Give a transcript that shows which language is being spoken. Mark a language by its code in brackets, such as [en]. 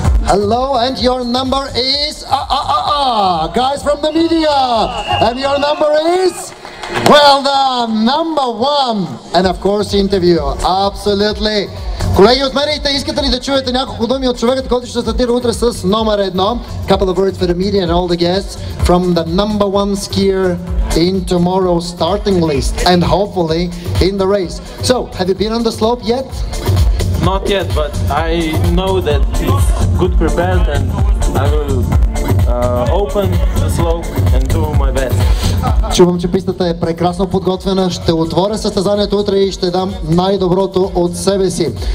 [en] Hello, and your number is... guys from the media. And your number is... Well done, number 1. And of course, interview. Absolutely. [bg] Колеги, отмерите, искате ли да чуете няколко думи от човека, който ще стартира утре с номер 1? [en] Couple of words for the media and all the guests from the number 1 skier in tomorrow's starting list and hopefully in the race. So, have you been on the slope yet? Not yet, but I know that it's good prepared and I will open the slope and do my best. [bg] Чувам, че пистата е прекрасно подготвена. Ще отворя състезанието утре и ще дам най-доброто от себе си.